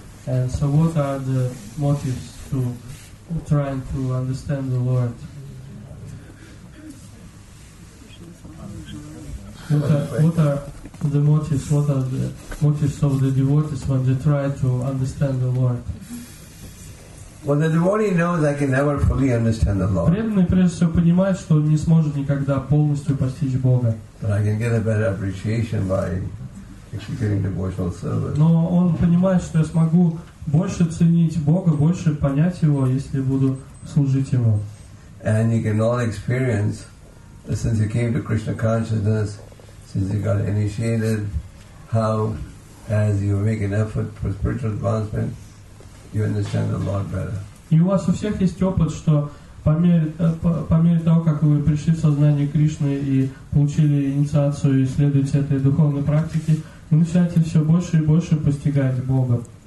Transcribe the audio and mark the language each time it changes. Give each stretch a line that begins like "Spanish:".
English: And so what are the motives to... trying to understand the Lord. What are the motives? What are the motives of the devotees when they try to understand the Lord? Well, the devotee knows that he can never fully understand the Lord.
Russian: Преданный прежде всего понимает, что он не сможет никогда полностью постичь Бога.
English: But I can get a better appreciation by executing devotional service.
Russian: Но он понимает, что я смогу больше ценить Бога, больше понять Его, если буду служить Ему.
English: And you can all experience that since you came to Krishna consciousness, since you got initiated, how as you make an effort for spiritual advancement, you understand the Lord better.
Russian: И у вас у всех есть опыт, что по мере того, как вы пришли в сознание Кришны и получили инициацию и следуете этой духовной практике, вы начинаете все больше и больше постигать Бога.